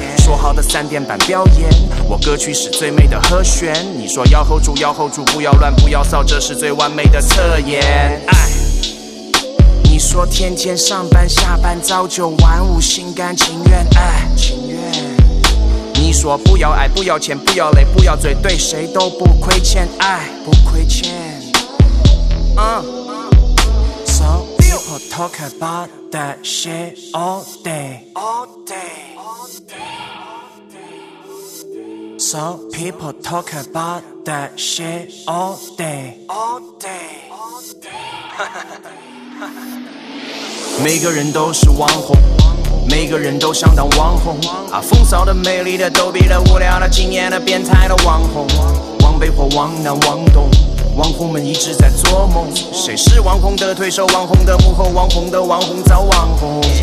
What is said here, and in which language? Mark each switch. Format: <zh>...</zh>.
<zh>说好的三点半表演，我歌曲是最美的和弦，你说要 hold 住，要 hold 住，不要乱，不要骚，这是最完美的策略。你说天天上班下班早九晚五心甘情愿，你说不要爱不要钱不要累不要嘴对谁都不亏欠，不亏欠。</zh> <en>Some people talk about that shit all day, all day. Some people talk about that shit all day, all day.</en> <zh>每个人都是网红，每个人都相当网红啊，风骚的、美丽的、逗逼的、无聊的、惊艳的、变态的网红，往北或往南、往东，网红们一直在做梦。谁是网红的推手？网红的幕后？网红的网红找网红？</zh>